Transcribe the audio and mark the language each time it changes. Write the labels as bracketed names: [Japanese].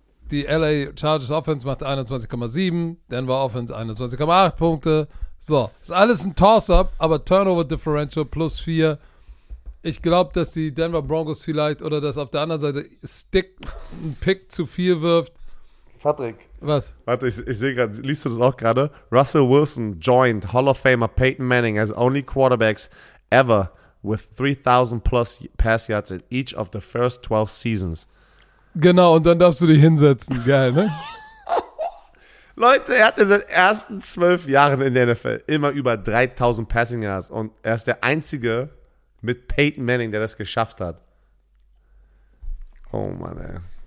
[German] Die LA Chargers Offense macht 21,7. Denver Offense 21,8 Punkte. So, ist alles ein Toss-Up, aber Turnover Differential plus 4. Ich glaube, dass die Denver Broncos vielleicht oder dass auf der anderen Seite Stick einen Pick zu viel wirft. Patrick. Was? Warte, ich sehe gerade, liest du das auch gerade? [English] Russell Wilson joined Hall of Famer Peyton Manning as only quarterbacks ever with 3,000 plus pass yards in each of the first 12 seasons. [German] Genau, und dann darfst du dich hinsetzen. Geil, ne? Leute, er hat in den ersten 12 Jahren in der NFL immer über 3,000 Passing Yards und er ist der Einzige mit Peyton Manning, der das geschafft hat. Oh Mann, ey.